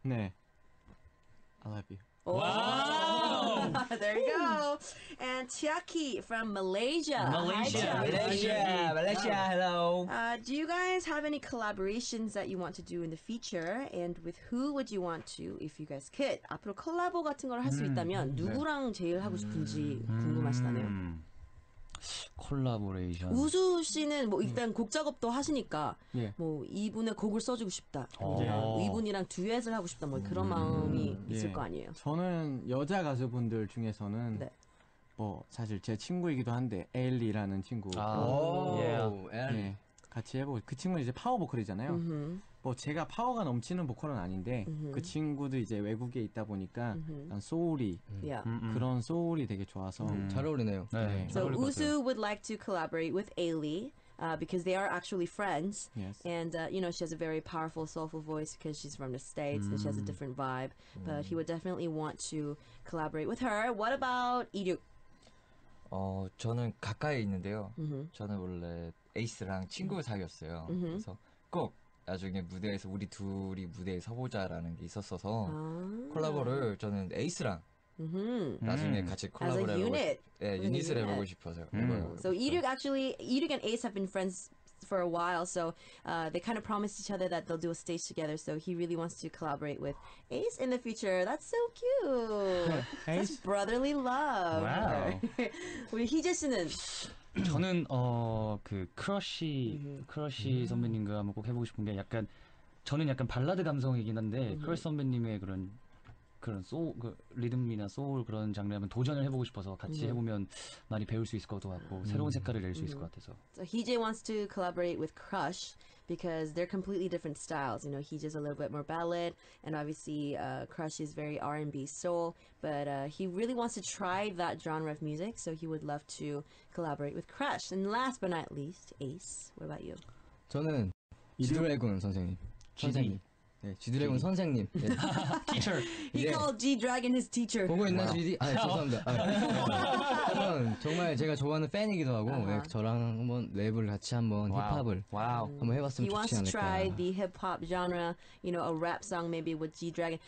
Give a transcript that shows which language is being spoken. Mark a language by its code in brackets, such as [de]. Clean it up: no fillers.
[en] 네. I love you. Oh. Wow! There you go. And Chiaki from Malaysia. Malaysia. Hi, Malaysia. Malaysia. Hello. Do you guys have any collaborations that you want to do in the future? And with who would you want to if you guys could? [ko] 앞으로 콜라보 같은 걸 할 수 있다면 누구랑 제일 하고 싶은지 궁금하시다네요. 콜라보레이션. 우수 씨는 뭐 일단 곡 작업도 하시니까 예. 뭐 이분의 곡을 써주고 싶다. 예. 이분이랑 듀엣을 하고 싶다. 뭐 그런 마음이 있을 예. 거 아니에요. 저는 여자 가수분들 중에서는 네. 뭐 사실 제 친구이기도 한데 엘리라는 친구. 아, 오. 예. 엘리. 예. 같이 해보고 그 친구는 이제 파워 보컬이잖아요. 음흠. 뭐 제가 파워가 넘치는 보컬은 아닌데 음흠. 그 친구도 이제 외국에 있다 보니까 난 소울이 그런 소울이 되게 좋아서 잘 어울리네요. 네. 네. [en] So Uzu would like to collaborate with Ailey because they are actually friends. Yes. And you know she has a very powerful soulful voice because she's from the States and she has a different vibe. But he would definitely want to collaborate with her. What about Iryuk? [ko] 저는 가까이 있는데요. 저는 원래 에이스랑 친구 사귀었어요. 그래서 꼭 나중에 무대에서 우리 둘이 무대에 서보자라는 게 있었어서 콜라보를 저는 에이스랑 나중에 같이 콜라보를 해보고 싶어요. 네, 유닛을 해보고 싶어서. [en] So Iryuk actually, Iryuk and Ace have been friends for a while, so they kind of promised each other that they'll do a stage together. So he really wants to collaborate with Ace in the future. That's so cute. Such brotherly love. Wow. [ko] 우리 희재 씨는 저는 그 크러쉬 선배님과 한번 꼭 해보고 싶은 게 약간 저는 약간 발라드 감성이긴 한데 크러쉬 선배님의 그런 소울 그 리듬이나 소울 그런 장르 한번 도전을 해보고 싶어서 같이 해보면 많이 배울 수 있을 것 같고 새로운 색깔을 낼 수 있을 것 같아서. [en] So Heejae wants to collaborate with Crush because they're completely different styles. You know, Heejae's a little bit more ballad, and obviously Crush is very R&B soul. But he really wants to try that genre of music, so he would love to collaborate with Crush. And last but not least, Ace, what about you? [ko] 저는 G-Dragon 선생님. G-Dragon. 네, G-Dragon 선생님. 네. [en] Teacher. He 네. called G-Dragon his teacher. [ko] 보고 있나 wow. GD? 아, 죄송합니다. 아, 정말 제가 좋아하는 팬이기도 하고 네, 저랑 한번 랩을 같이 한번 wow. 힙합을 wow. 한번 해봤으면 좋지 않을까. [en] He wants to try the hip-hop genre, you know, a rap song maybe with G-Dragon.